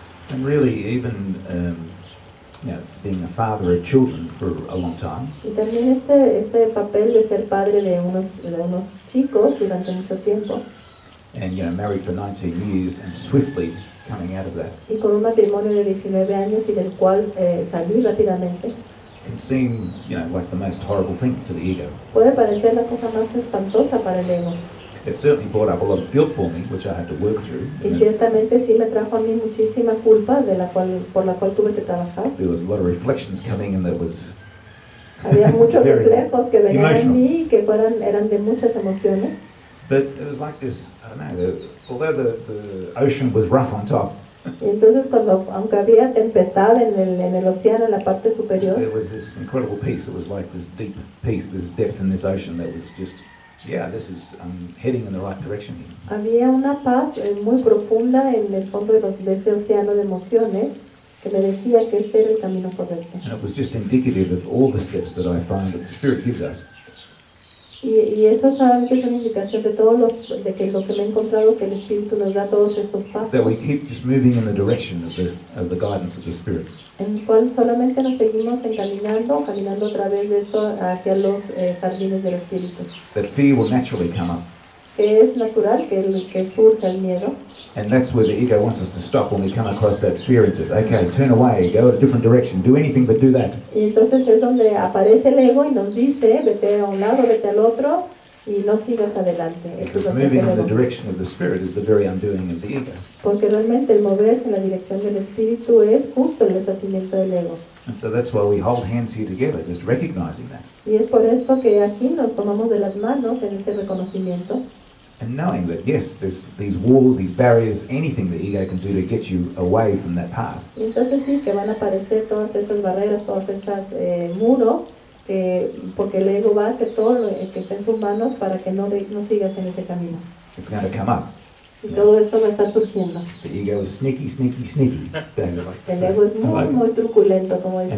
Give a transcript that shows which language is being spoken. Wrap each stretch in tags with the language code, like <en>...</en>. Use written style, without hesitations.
<en>And really, even you know, being a father of children for a long time.</en> <es>Y también este papel de ser padre de unos chicos durante mucho tiempo.</es> <en>And you know, married for 19 years and swiftly coming out of that.</en> <es>Y con un matrimonio de 19 años y del cual salí rápidamente.</es> <en>Can seem, you know, like the most horrible thing to the ego.</en> <es>Puede parecer la cosa más espantosa para el ego.</es> <en>It certainly brought up a lot of guilt for me, which I had to work through.</en> <es>Y ciertamente sí me trajo a mí muchísima culpa de la cual, por la cual tuve que trabajar.</es> <en>There was a lot of reflections coming and there was</en> <es>había muchos reflejos que venían en mí y que eran de muchas emociones.</es> <en>But it was like this, I don't know, although the ocean was rough on top.</en> <es>Entonces, cuando, aunque había tempestad en el océano, en la parte superior,</es> <en>there was this incredible peace. It was like this deep peace, this depth in this ocean that was just, yeah, this is heading in the right direction.</en> <es>Había una paz muy profunda en el fondo de, los, de este océano de emociones que me decía que este era el camino correcto.</es> <en>And it was just indicative of all the steps that I find that the Spirit gives us.</en> <es>Y eso es una indicación de todo lo, de que lo que me he encontrado, que el Espíritu nos da todos estos pasos.</es> <en>That we keep just moving in the direction of the guidance of the Spirit.</en> <es>En cual solamente nos seguimos encaminando, caminando a través de eso hacia los jardines del Espíritu.</es> <en>That fear will naturally come up.</en> <es>Que es natural que surja el miedo.</es> <en>And that's where the ego wants us to stop when we come across that fear and says, okay, turn away, go a different direction, do anything but do that.</en> <es>Y entonces es donde aparece el ego y nos dice, vete a un lado, vete al otro, y no sigas adelante.</es> <en>Because moving in the direction of the Spirit is the very undoing of the ego.</en> <es>Porque realmente el moverse en la dirección del Espíritu es justo el deshacimiento del ego.</es> <en>And so that's why we hold hands here together, just recognizing that.</en> <es>Y es por esto que aquí nos tomamos de las manos en ese reconocimiento.</es> <en>And knowing that, yes, this, these walls, these barriers, anything the ego can do to get you away from that path.</en> <es>Y entonces sí, que van a aparecer todas esas barreras, todas esas muros, porque el ego va a hacer todo lo que esté en tus manos para que no, no sigas en ese camino.</es> <en>It's going to come up.</en> <es>Y todo esto va a estar surgiendo.</es> <en>The ego is sneaky, sneaky, sneaky.</en> <es>El ego es muy, muy truculento, como dice.</es>